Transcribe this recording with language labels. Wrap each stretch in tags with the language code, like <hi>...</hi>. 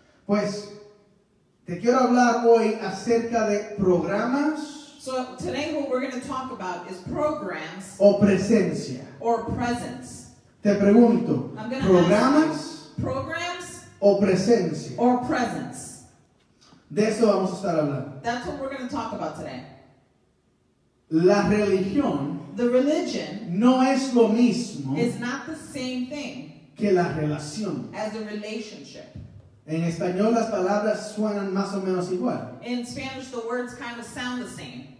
<es>Pues, te quiero hablar hoy acerca de programas.</es> <en>So today what we're going to talk about is programs.</en> <es>O presencia.</es> <en>Or presence.</en> <es>Te pregunto, programas.</es> <en>Programs.</en> <es>O presencia.</es> <en>Or presence.</en> <es>De eso vamos a estar hablando.</es> <en>That's what we're going to talk about today.</en> <es>La religión,</es> <en>the religion,</en> <es>no es lo mismo,</es> <en>is not the same thing,</en> <es>que la relación,</es> <en>as a relationship.</en> <es>En español las palabras suenan más o menos igual.</es> <en>In Spanish the words kind of sound the same.</en>